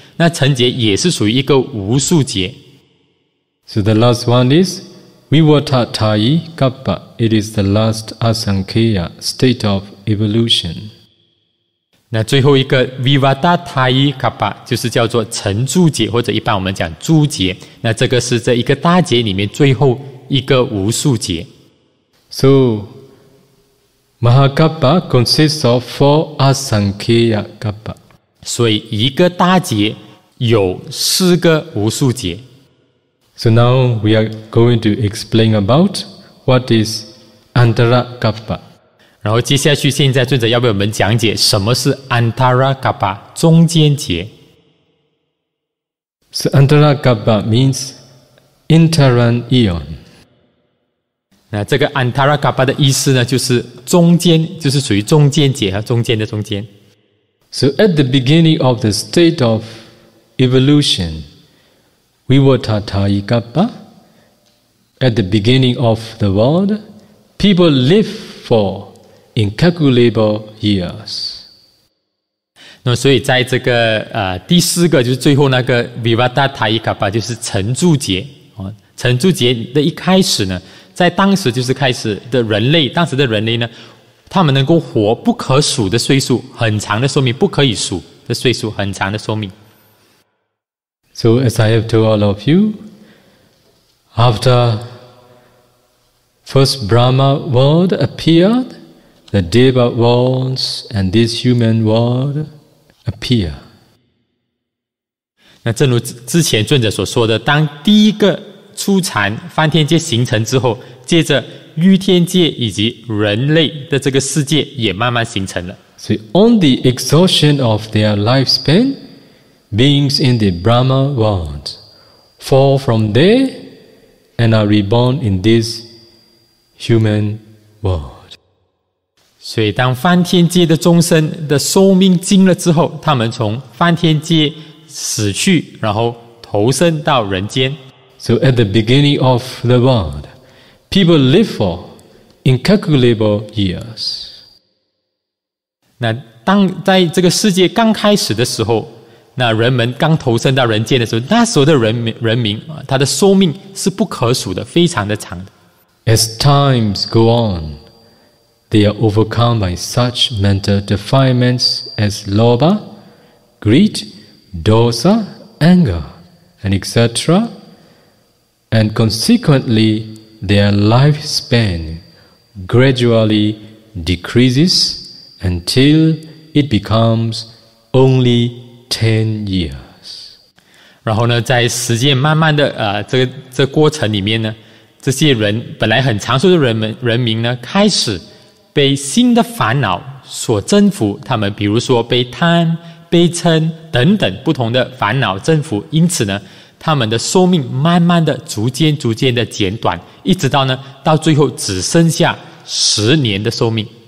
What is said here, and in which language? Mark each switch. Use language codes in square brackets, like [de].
[zh] 那成劫也是属于一个无数劫。 [en] So the last one is Vivata Thayi Kappa. It is the last Asankhya state of evolution. [zh] 那最后一个 Vivata Thayi Kappa 就是叫做成住劫，或者一般我们讲住劫。那这个是这一个大劫里面最后一个无数劫。 [en] So Mahakappa consists of four Asankhya Kappa. [zh] 所以一个大劫有四个无数劫。 [en] So now we are going to explain about what is Antara Kappa. [zh] 然后接下去现在尊者要为我们讲解什么是 Antara Kappa, 中间节。 [en] So Antara Kappa means interim eon. [zh] 那这个 Antara Kappa 的意思呢，就是中间，就是属于中间节和中间的中间。 [en] So at the beginning of the state of evolution,Vivata Thayi Kappa, at the beginning of the world, people live for incalculable years. [zh] 那所以在这个第四个就是最后那个 Vivata Thayi Kappa 就是成住劫，成住劫的一开始呢，在当时就是开始的人类，当时的人类呢，他们能够活不可数的岁数，很长的寿命，不可以数的岁数，很长的寿命。 [en] So as I have told all of you, after first Brahma world appeared, the Deva worlds and this human world appear. [zh] 那正如之前尊者所说的，当第一个初禅梵天界形成之后，接着欲天界以及人类的这个世界也慢慢形成了。 [en] So on the exhaustion of their lifespan,Beings in the Brahma world fall from there and are reborn in this human world. [zh] 所以当梵天界的众生的寿命尽了之后，他们从梵天界死去，然后投生到人间。 [en] So at the beginning of the world, people live for incalculable years. [zh] 那当在这个世界刚开始的时候，那人们刚投身到人间的时候，那时候的人民他的寿命是不可数的，非常的长的。 [en] As times go on, they are overcome by such mental defilements as lobha, greed, dosa, anger, and etc. And consequently, their lifespan gradually decreases until it becomes only 10 years. [zh] 然后呢，在时间慢慢的这过程里面呢，这些人本来很长寿的人民呢，开始被新的烦恼所征服。他们比如说被贪、被嗔等等不同的烦恼征服，因此呢，他们的寿命慢慢的逐渐的减短，一直到呢，到最后只剩下10年的寿命。